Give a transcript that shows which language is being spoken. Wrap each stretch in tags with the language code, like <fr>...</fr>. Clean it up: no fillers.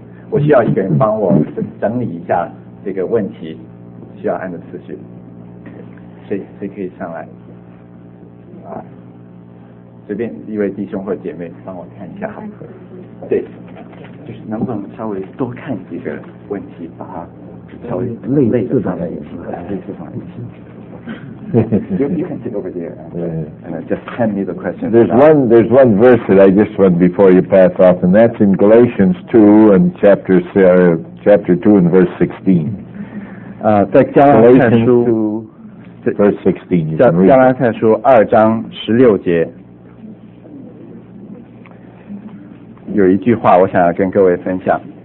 <zh>我需要一个人帮我整理一下这个问题，需要按的次序。谁可以上来？啊，随便一位弟兄或姐妹帮我看一下。对，就是能不能稍微多看几个问题，把它稍微类似上来一些，类似上来一些。</zh> <en>You can sit over there and just hand me the question. There's one verse that I just want before you pass off, and that's in Galatians 2 and chapter 2 and verse 16.</en> <zh>在加拉太书</zh> <en>verse 16, you can read.</en> <zh>加拉太书二章十六节有一句话我想要跟各位分享。</zh>